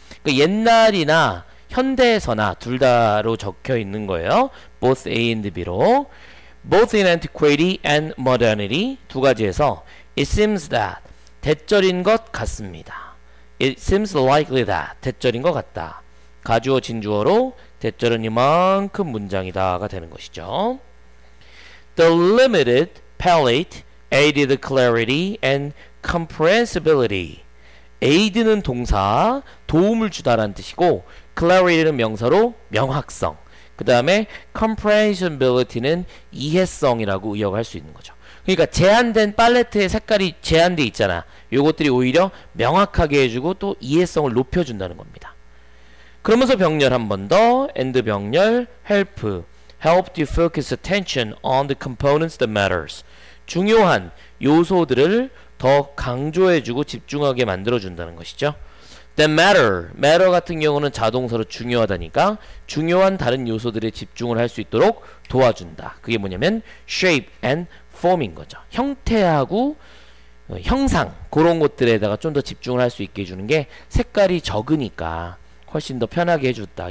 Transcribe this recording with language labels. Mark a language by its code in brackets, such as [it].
[ko] 그 옛날이나 현대에서나 둘 다로 적혀 있는 거예요. [en] Both A and B로. Both in antiquity and modernity [ko] 두 가지에서 [en] It seems that [ko] 대절인 것 같습니다. [en] It seems likely that [ko] 대절인 것 같다. 가주어 진주어로 대절은 이만큼 문장이다가 되는 것이죠. [en] The limited palette aided clarity and comprehensibility. [ko] Aid는 동사, 도움을 주다라는 뜻이고, clarity는 명사로 명확성. 그 다음에 comprehensibility는 이해성이라고 의역할 수 있는 거죠. 그러니까 제한된 팔레트의 색깔이 제한돼 있잖아. 요것들이 오히려 명확하게 해주고 또 이해성을 높여준다는 겁니다. 그러면서 병렬 한번 더. [en] and 병렬 help to focus attention on the components that matters. [ko] 중요한 요소들을 더 강조해주고 집중하게 만들어준다는 것이죠. The matter 같은 경우는 자동사로 중요하다니까 중요한 다른 요소들에 집중을 할수 있도록 도와준다. 그게 뭐냐면 shape and form인 거죠. 형태하고 형상 그런 것들에다가 좀더 집중을 할수 있게 해주는 게 색깔이 적으니까 훨씬 더 편하게 해줬다.